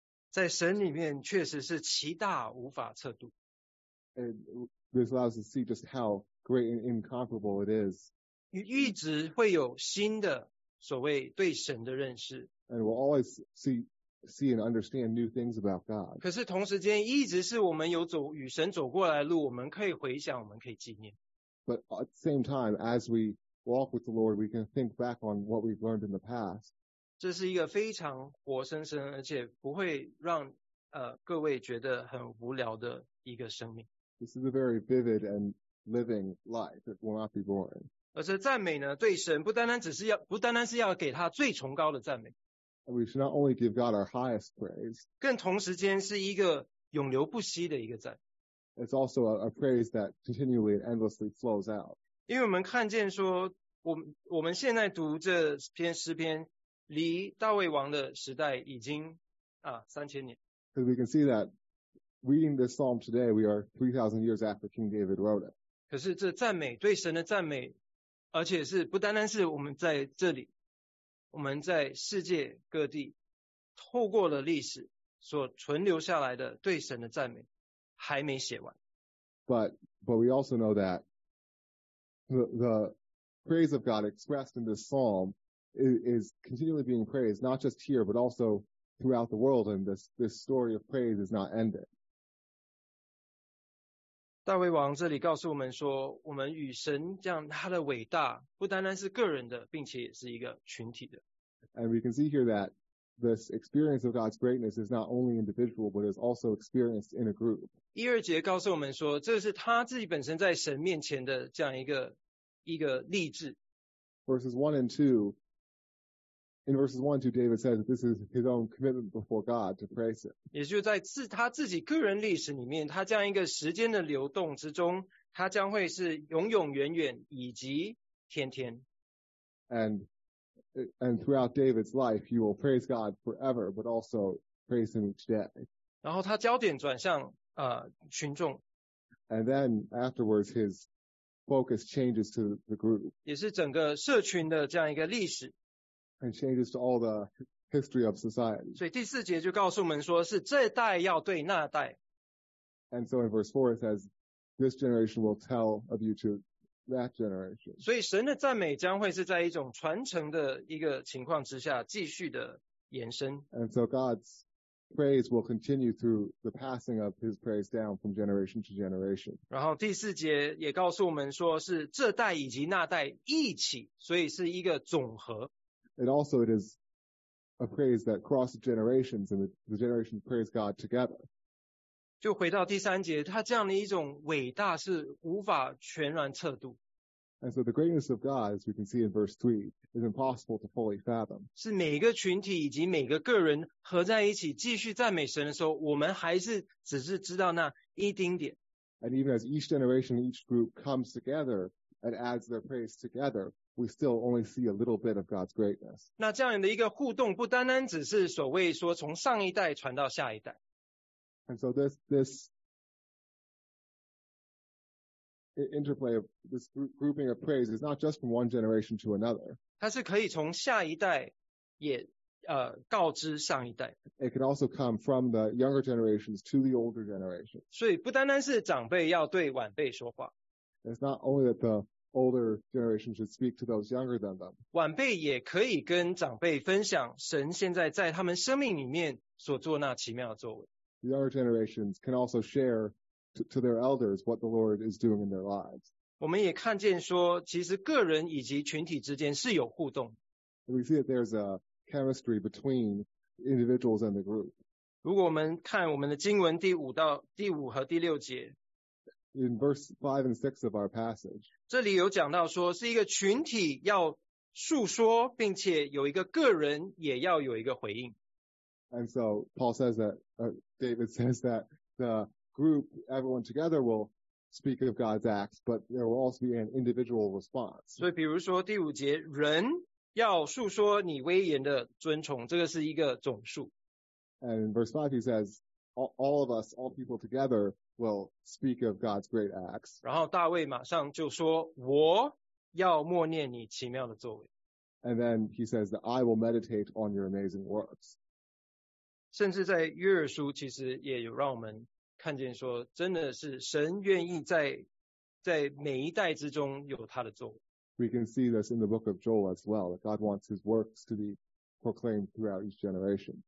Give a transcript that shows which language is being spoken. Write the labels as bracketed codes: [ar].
[zh] 在神里面确实是奇大无法测度。 [en] And this allows us to see just how great and incomparable it is. [zh] 一直会有新的所谓对神的认识。 [en] And we'll always see and understand new things about God. [zh] 可是同时间一直是我们有走与神走过来的路我们可以回想我们可以纪念。 [en] But at the same time, as we walk with the Lord, we can think back on what we've learned in the past. [zh] 这是一个非常活生生而且不会让各位觉得很无聊的一个生命。 [en] This is a very vivid and living life. It will not be boring. [zh] 而是赞美呢对神不单单是要给他最崇高的赞美。 [en] We should not only give God our highest praise. [zh] 更同时间是一个永流不息的一个赞。 [en] It's also a praise that continually and endlessly flows out. [zh] 因为我们看见说我们现在读这篇诗篇离大卫王的时代已经3000年。 [en] Because we can see that reading this psalm today, we are 3000 years after King David wrote it. [zh] 可是这赞美对神的赞美而且是不单单是我们在这里我们在世界各地透过了历史所存留下来的对神的赞美还没写完 [en] But we also know that the praise of God expressed in this psalm is continually being praised not just here but also throughout the world and this story of praise is not ended [zh] 大卫王这里告诉我们说我们与神这样他的伟大不单单是个人的并且也是一个群体的。 [en] And we can see here that this experience of God's greatness is not only individual but is also experienced in a group. [zh] 一二节告诉我们说这是他自己本身在神面前的这样一个励志。 [en] In verses 1 and 2, David says that this is his own commitment before God to praise him. [zh] 也就在他自己个人历史里面，他这样一个时间的流动之中，他将会是永永远远以及天天。 [en] And throughout David's life, he will praise God forever, but also praise him each day. [zh] 然后他焦点转向群众。 [en] And then afterwards, his focus changes to the group. [zh] 也是整个社群的这样一个历史。 [en] And changes to all the history of society. [zh] 所以第四节就告诉我们说是这代要对那代。 [en] And so in verse 4 it says, this generation will tell of you to that generation. [zh] 所以神的赞美将会是在一种传承的一个情况之下继续的延伸。 [en] And so God's praise will continue through the passing of his praise down from generation to generation. [zh] 然后第四节也告诉我们说是这代以及那代一起，所以是一个总和。 [en] And also it is a praise that crosses generations and the generations praise God together. [zh] 就回到第三节，他这样的一种伟大是无法全然测度。 [en] And so the greatness of God, as we can see in verse 3, is impossible to fully fathom. [zh] 是每个群体以及每个个人合在一起继续赞美神的时候，我们还是只是知道那一丁点。 [en] And even as each generation, each group comes together and adds their praise together, we still only see a little bit of God's greatness. [zh] 那这样的一个互动不单单只是所谓说从上一代传到下一代。 [en] And so this interplay of this grouping of praise is not just from one generation to another. [zh] 它是可以从下一代也告知上一代。 [en] It can also come from the younger generations to the older generations. [zh] 所以不单单是长辈要对晚辈说话。 [en] It's not only that the older generation should speak to those younger than them. [zh] 晚辈也可以跟长辈分享神现在在他们生命里面所做那奇妙的作为。 [en] The younger generations can also share to their elders what the Lord is doing in their lives. [zh] 我们也看见说其实个人以及群体之间是有互动。 [en] We see that there's a chemistry between individuals and the group. [zh] 如果我们看我们的经文第五到第五和第六节。 [en] In verse 5 and 6 of our passage. [zh] 这里有讲到说是一个群体要述说并且有一个个人也要有一个回应。 [en] And so Paul says that, David says that the group, everyone together will speak of God's acts, but there will also be an individual response. [zh] 所以比如说第五节，人要述说你威严的尊崇，这个是一个总数。 [en] And in verse 5 he says, all of us, all people together will speak of God's great acts. [zh] 然后大卫马上就说，我要默念你奇妙的作为。 [en] And then he says that I will meditate on your amazing works. [zh] 甚至在约珥书其实也有让我们看见说真的是神愿意在每一代之中有他的作为。 [en] We can see this in the book of Joel as well, that God wants his works to be proclaimed throughout each generation.